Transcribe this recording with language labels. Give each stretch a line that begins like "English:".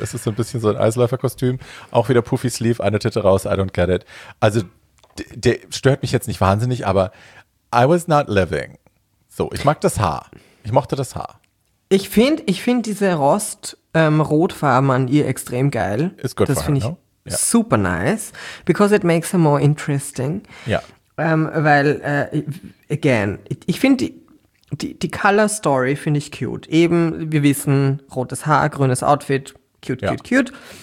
German: Es ist so ein bisschen so ein Eisläuferkostüm. Auch wieder Puffy Sleeve, eine Titte raus,
English: I don't get it.
German: Also der stört mich jetzt nicht wahnsinnig, aber
English: I was not living.
German: So, ich mag das Haar. Ich mochte das Haar. Ich find diese Rost... Rotfarben an ihr extrem geil. Ist gut, das finde ich,
English: no? Yeah. Super nice, because it makes her more interesting.
German: Ja.
English: Yeah.
German: Weil, again, ich finde die Color Story finde ich cute. Eben, wir wissen, rotes Haar, grünes Outfit, cute, yeah. cute.